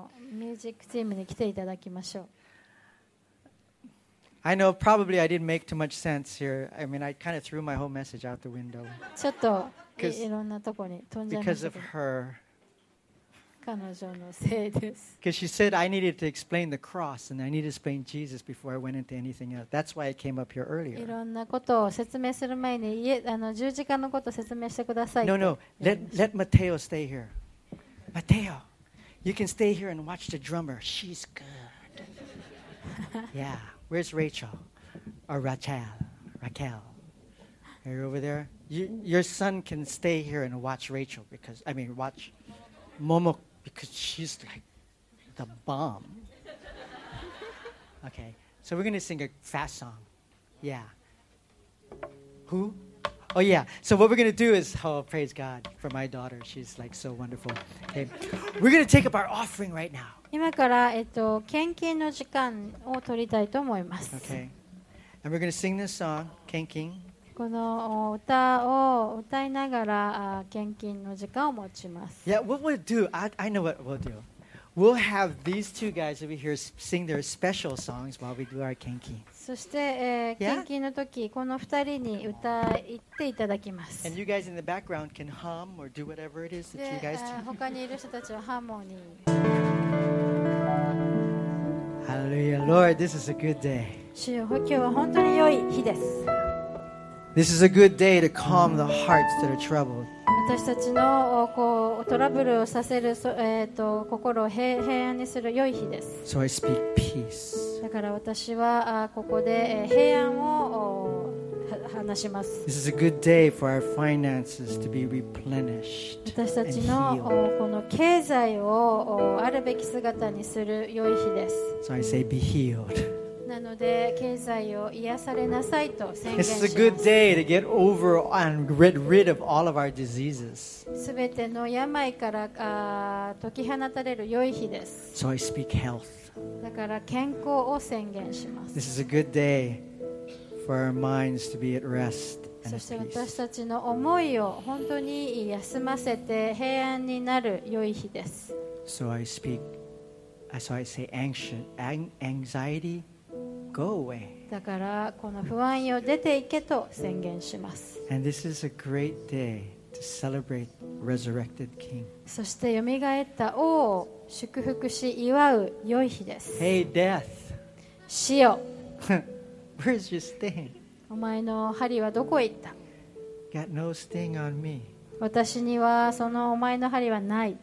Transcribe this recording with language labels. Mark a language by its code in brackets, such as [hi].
[ja] ミュージックチームに来ていただきましょう。 [en] I know probably I didn't make too much sense here. I mean, I kind of threw my whole message out the window. [ja] ちょっと いろんなとこに飛んじゃいました。 [en] Because of her. [ja] 彼女のせいです。 [en] Because she said I needed to explain the cross and I needed to explain Jesus before I went into anything else. That's why I came up here earlier. [ja] いろんなことを説明する前に十字架のことを説明してくださいって。 [en] No. Let Mateo stay here. Mateo, you can stay here and watch the drummer. She's good. Yeah. Where's Rachel? Or Rachel? Raquel? Are you over there? Your son can stay here and watch Rachel because, I mean, watch Momo because she's like the bomb. Okay, so we're going to sing a fast song. Yeah. Who? Oh, yeah. So what we're going to do is, oh, praise God for my daughter. She's like so wonderful. Okay, we're going to take up our offering right now. [ja] 今から献金の時間を取りたいと思います。 [en] Okay. And we're going to sing this song, 献金。 [ja] この歌を歌いながら献金の時間を持ちます。 [en] Yeah, what we'll do, I know what we'll do. We'll have these two guys over here sing their special songs while we do our 献金。 [ja] そして献金の時、この2人に歌っていただきます。 [en] And you guys in the background can hum or do whatever it is that you guys do. [ja] 他にいる人たちはハーモニ [en] ー。 Hallelujah. Lord, this is a good day. [ja] 主よ、今日は本当に良い日です。 [en] This is a good day to calm the hearts that are troubled. [ja] 私たちのこうトラブルをさせる心を平安にする良い日です。 [en] So I speak peace. [ja] だから私はここで平安を話します。 [en] This is a good day for our finances to be replenished. [ja] 私たちのこの経済をあるべき姿にする良い日です。 [en] So I say be healed. [ja] なので経済を癒されなさいと宣言します。 [en] This is a good day to get over and get rid of all of our diseases. [ja] すべての病から解き放たれる良い日です。 [en] So I speak health. [ja] だから健康を宣言します。 [en] This is a good day for our minds to be at rest. [ja] そして私たちの思いを本当に休ませて平安になる良い日です。 [en] So I speak, so I say anxious, anxiety, go away. [ja] だからこの不安よ出ていけと宣言します。 [en] And this is a great day to celebrate resurrected king. [ja] そしてよみがえった王を祝福し祝う良い日です。 [en] Hey death, [ja] 死よ [en] Where's your sting [ja] お前の針はどこへ行った。 [en] Got no sting on me. [ja] 私にはそのお前の針はない。